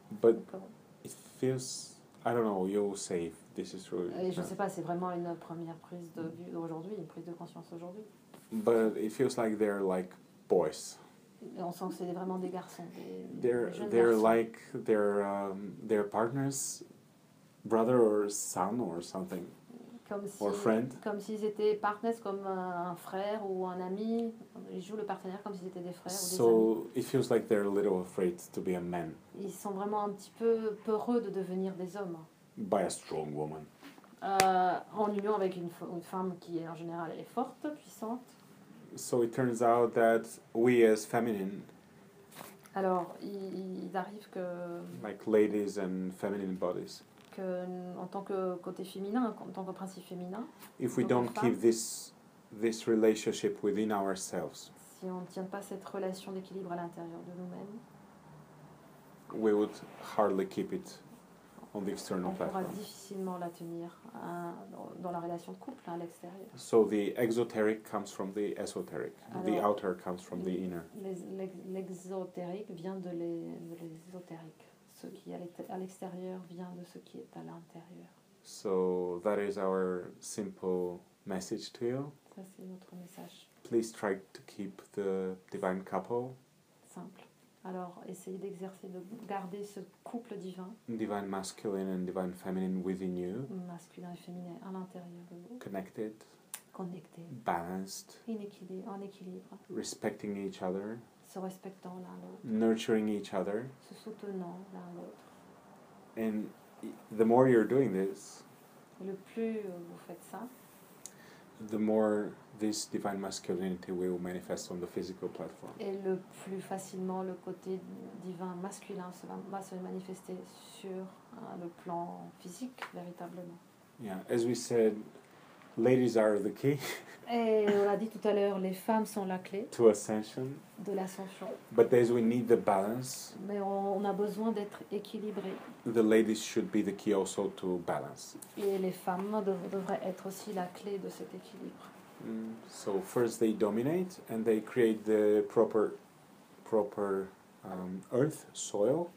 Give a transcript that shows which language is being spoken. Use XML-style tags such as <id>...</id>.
<en>But it feels, I don't know, you'll say if this is true.</en> <fr>Et je ne sais pas, c'est vraiment une première prise de vue aujourd'hui, une prise de conscience aujourd'hui.</fr> <en>But it feels like they're like boys.</en> <fr>Et on sent que c'est vraiment des garçons.</fr> <en>They're like their partners, brother or son or something.</en> <fr>Comme s'ils étaient partners, comme un frère ou un ami. Ils jouent le partenaire comme s'ils étaient des frères</fr> <en>so</en> <fr>ou des amis.</fr> <en>It feels like they're a little afraid to be a man.</en> <fr>Ils sont vraiment un petit peu peureux de devenir des hommes.</fr> <en>By a strong woman.</en> <fr>En union avec une femme qui est en général est forte, puissante.</fr> <en>So it turns out that we as feminine.</en> <fr>Alors, il arrive que.</fr> <en>Like ladies and feminine bodies.</en> <fr>En tant que côté féminin, en tant que principe féminin.</fr> <en>If we don't keep this relationship within ourselves.</en> <fr>si on ne tient pas cette relation d'équilibre à l'intérieur de nous-mêmes,</fr> <en>we would hardly keep it on the external</en> <fr>platform. On pourra difficilement la tenir dans la relation de couple à l'extérieur.</fr> <en>So the exoteric comes from the esoteric. Alors, the outer comes from the inner.</en> <fr>L'exotérique vient de l'esotérique. Ce qui est à l'extérieur vient de ce qui est à l'intérieur.</fr> <en>So that is our simple message to you.</en> <fr>Ça, c'est notre message.</fr> <en>Please try to keep the divine couple.</en> <fr>Simple. Alors, essayez d'exercer, de garder ce couple divin.</fr> <en>Divine masculine and divine feminine within you.</en> <fr>Masculin et féminin à l'intérieur de vous.</fr> <en>Connected.</en> <fr>Connecté.</fr> <en>Balanced.</en> <fr>En équilibre.</fr> <en>Respecting each other.</en> <fr>Se respectant l'un l'autre.</fr> <en>Nurturing each other.</en> <fr>Se soutenant l'un l'autre.</fr> <en>And the more you're doing this,</en> <fr>le plus vous faites ça,</fr> <en>the more this divine masculinity will manifest on the physical platform.</en> <fr>Et le plus facilement le côté divin masculin va se manifester sur le plan physique véritablement.</fr> <en>Yeah, as we said, ladies are the key.</en> <fr>Et on l'a dit tout à l'heure, les femmes sont la clé.</fr> <en>To ascension.</en> <fr>De l'ascension.</fr> <en>But as we need the balance.</en> <fr>Mais on a besoin d'être équilibré.</fr> <en>The ladies should be the key also to balance.</en> <fr>Et les femmes devraient être aussi la clé de cet équilibre.</fr> <en>So first they dominate and they create the proper earth, soil.</en>